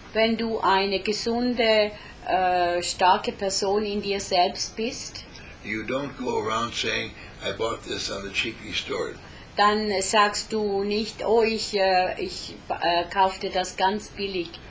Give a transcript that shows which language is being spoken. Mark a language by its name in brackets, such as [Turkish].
[German] Wenn du eine gesunde, starke Person in dir selbst bist. [English] You don't go around saying, I bought this on the cheapy store. [German] Dann sagst du nicht, oh, ich kaufte das ganz billig.